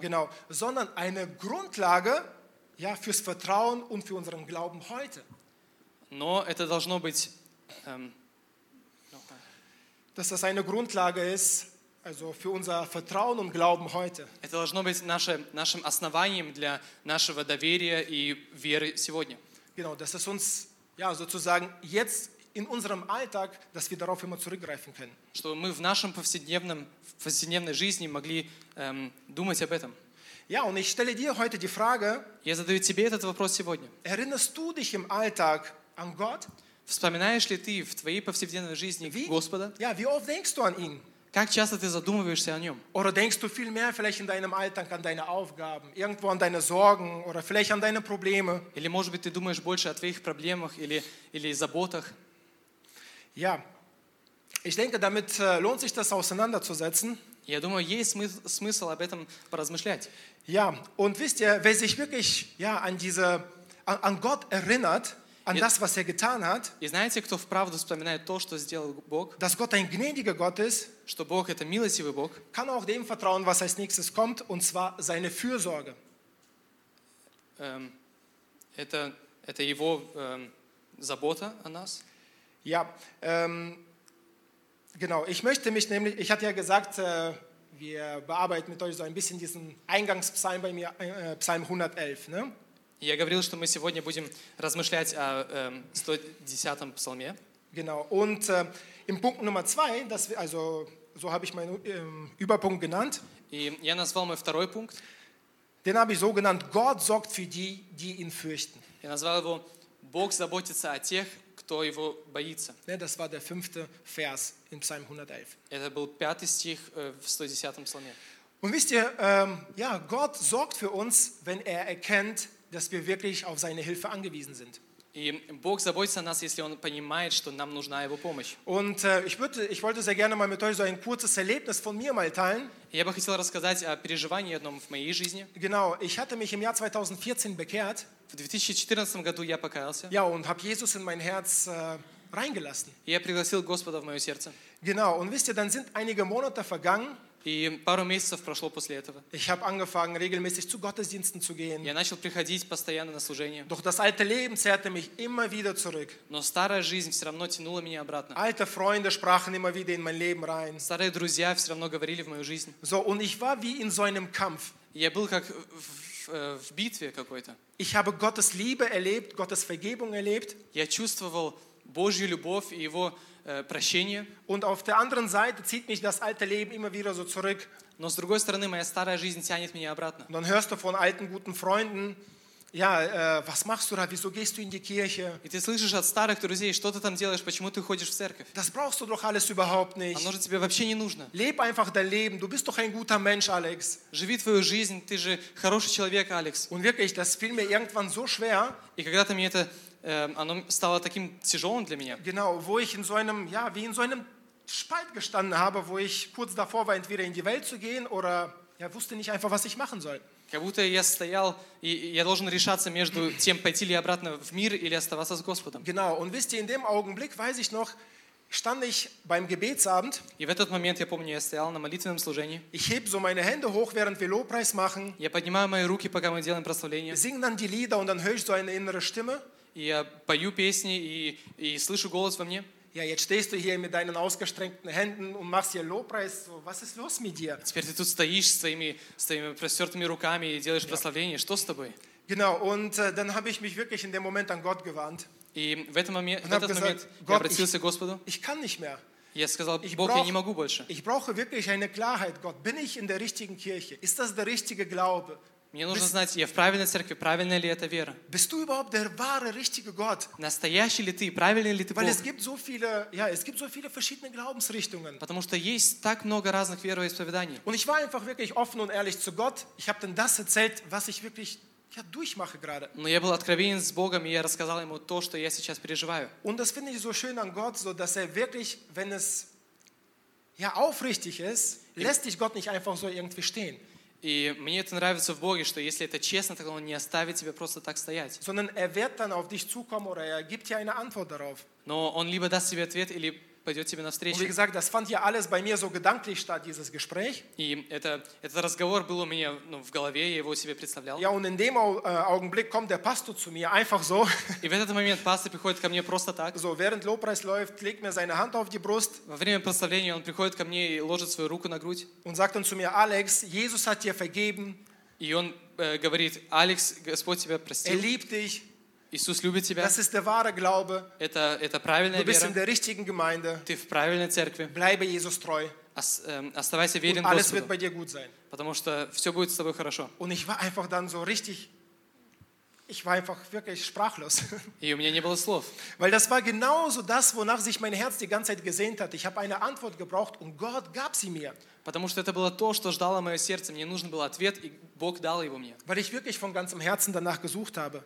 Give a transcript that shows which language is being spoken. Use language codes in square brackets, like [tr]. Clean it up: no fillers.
[de] Genau, sondern eine Grundlage, ja, fürs Vertrauen und für unseren Glauben heute. [ru] Но это должно быть, [de] dass das eine Grundlage ist, Also für unser Vertrauen und Glauben heute. [ru] Это должно быть нашим основанием для нашего доверия и веры сегодня. [de] Genau, dass es uns ja sozusagen jetzt in unserem Alltag, dass wir darauf immer zurückgreifen können. [ru] Чтобы мы в нашем повседневной жизни могли думать об этом. [de] Ja, und ich stelle dir heute die Frage. [ru] Я задаю тебе этот вопрос сегодня. [de] Erinnerst du dich im Alltag an Gott? [ru] Вспоминаешь ли ты в твоей повседневной жизни Господа? [de] Ja, wie oft denkst du an ihn? [ru] Как часто ты задумываешься о нем? [de] Oder denkst du viel mehr vielleicht in deinem Alltag an deine Aufgaben, irgendwo an deine Sorgen oder vielleicht an deine Probleme? [ru] Или может быть ты думаешь больше о твоих проблемах или заботах? [de] Ja, ich denke, damit lohnt sich das auseinanderzusetzen. [ru] Я думаю, есть смысл об этом поразмышлять. [de] Ja, und wisst ihr, wer sich wirklich ja an diese an Gott erinnert? An das, was getan hat, [ru] и знаете, кто вправду вспоминает то, что сделал Бог? [de] Dass Gott ein gnädiger Gott ist, [ru] что Бог это милостивый Бог? [de] Kann auch dem vertrauen, was als nächstes kommt, und zwar seine Fürsorge. [ru] Это его забота о нас? [de] Ja, genau. Ich möchte mich nämlich, ich hatte ja gesagt, wir bearbeiten mit euch so ein bisschen diesen Eingangspsalm bei mir, Psalm 111, ne? [ru] Я говорил, что мы сегодня будем размышлять о 110-м псалме. [de] Genau. Und im Punkt Nummer 2, das also so habe ich meinen Überpunkt genannt. [ru] И я назвал мой второй пункт. [de] Den habe ich so genannt: Gott sorgt für die, die ihn fürchten. [ru] Я назвал его: Бог заботится о тех, кто его боится. [de] Ne, das war der fünfte Vers in Psalm 111. [ru] Это был пятый стих в 110-м псалме. [de] Und wisst ihr, ja, Gott sorgt für uns, wenn er erkennt, dass wir wirklich auf seine Hilfe angewiesen sind. [ru] Бог заботится о нас, если он понимает, что нам нужна его помощь. [de] Und ich wollte sehr gerne mal mit euch so ein kurzes Erlebnis von mir mal teilen. [ru] Я бы хотел рассказать о переживании одном в моей жизни. [de] Genau, ich hatte mich im Jahr 2014 bekehrt. [ru] В 2014 году я покаялся. [de] Ja, und habe Jesus in mein Herz reingelassen. [ru] Я пригласил Господа в мое сердце. [de] Genau, und wisst ihr, dann sind einige Monate vergangen. [ru] И пару месяцев прошло после этого. [de] Ich habe angefangen, regelmäßig zu Gottesdiensten zu gehen. [ru] Я начал приходить постоянно на служение. [de] Doch das alte Leben zerrte mich immer wieder zurück. [ru] Но старая жизнь все равно тянула меня обратно. [de] Alte Freunde sprachen immer wieder in mein Leben rein. [ru] Старые друзья все равно говорили в мою жизнь. [de] So, und ich war wie in so einem Kampf. [ru] Я был как в битве какой-то. [de] Ich habe Gottes Liebe erlebt, Gottes Vergebung erlebt. [ru] Я чувствовал Божью любовь и его прощение. [de] Und auf der anderen Seite zieht mich das alte Leben immer wieder so zurück. [ru] Но с другой стороны, моя старая жизнь тянет меня обратно. [de] Dann hörst du von alten guten Freunden, ja, was machst du da, wieso gehst du in die Kirche? [ru] И ты слышишь от старых друзей, что ты там делаешь, почему ты ходишь в церковь? [de] Das brauchst du doch alles überhaupt nicht. [ru] Оно же тебе вообще не нужно. [de] Leb einfach dein Leben, du bist doch ein guter Mensch, Alex. [ru] Живи твою жизнь, ты же хороший человек, Алекс. [de] Und wirklich, das fiel mir irgendwann so schwer. [ru] И когда-то мне это оно стало таким тяжелым для меня. [de] Genau, wo ich in so einem, ja, wie in so einem Spalt gestanden habe, wo ich kurz davor war, entweder in die Welt zu gehen oder ja, wusste nicht einfach, was ich machen soll. [ru] Как будто я стоял и я должен решаться между тем, пойти ли обратно в мир или оставаться с Господом. [de] Genau, und wisst ihr, in dem Augenblick weiß ich noch, stand ich beim Gebetsabend. [ru] И в этот момент я помню, я стоял на молитвенном служении. [de] Ich heb so meine Hände hoch, während wir Lobpreis machen. [ru] Я поднимаю мои руки, пока мы делаем прославление. [de] Singen dann die Lieder und dann höre ich so eine innere Stimme. [ru] Я пою песни и слышу голос во мне. [de] Ja, jetzt stehst du hier mit deinen ausgestreckten Händen und machst hier Lobpreis. Was ist los mit dir? [ru] Теперь ты тут стоишь с твоими простертыми руками и делаешь ja. Прославление. Что с тобой? [de] Genau, und dann habe ich mich wirklich in dem Moment an Gott gewandt. [ru] И в этот момент я обратился к Господу. [de] Ich kann nicht mehr. [ru] Я сказал, Бог, я не могу больше. [de] Ich brauche wirklich eine Klarheit, Gott. Bin ich in der richtigen Kirche? Ist das der richtige Glaube? [ru] Мне нужно знать, я в правильной церкви, правильная ли это вера? [de] Bist du überhaupt der wahre, richtige Gott? [ru] Настоящий ли ты, правильный ли ты Бог? [de] Weil es gibt so viele, ja, es gibt so viele verschiedene Glaubensrichtungen. [ru] Потому что есть так много разных вероисповеданий. [de] Und ich war einfach wirklich offen und ehrlich zu Gott. Ich habe dann das erzählt, was ich wirklich ja, durchmache gerade. [ru] Но я был откровенен с Богом, и я рассказал ему то, что я сейчас переживаю. [de] Und das finde ich so schön an Gott, so dass wirklich, wenn es ja, aufrichtig ist, lässt dich Gott nicht einfach so irgendwie stehen. [ru] И мне это нравится в Боге, что если это честно, то он не оставит тебя просто так стоять. [de] Sondern wird dann auf dich zukommen oder gibt dir eine Antwort darauf. [ru] Но он либо даст тебе ответ, или пойдет тебе навстречу. [de] Und wie gesagt, das fand ja alles bei mir so gedanklich statt, dieses Gespräch. [ru] И этот разговор был у меня, ну, в голове, я его себе представлял. [de] Ja, und in dem Augenblick kommt der Pastor zu mir, einfach so. [ru] И в этот момент пастор приходит ко мне просто так. [de] So, während Lobpreis läuft, legt mir seine Hand auf die Brust. [ru] Во время прославления он приходит ко мне и ложит свою руку на грудь. [de] Und sagt dann zu mir, Alex, Jesus hat dir vergeben. [ru] И он говорит, Алекс, Господь тебя простил. [de] Er liebt dich. [ru] Иисус любит тебя. [de] Das ist der wahre Glaube. [ru] Это правильная вера. [de] Du bist in der richtigen Gemeinde. [ru] Ты в правильной церкви. [de] Bleibe Jesus treu. [ru] Оставайся верен Господу. [de] Und alles wird bei dir gut sein. [ru] Потому что все будет с тобой хорошо. [de] Und ich war einfach dann so richtig, ich war einfach wirklich sprachlos. [ru] И у меня не было слов. [de] Weil das war genauso das, wonach sich mein Herz die ganze Zeit gesehnt hat. Ich habe eine Antwort gebraucht und Gott gab sie mir. [ru] Потому что это было то, что ждало мое сердце. Мне нужен был ответ, и Бог дал его мне. [de] Weil ich wirklich von ganzem Herzen danach gesucht habe.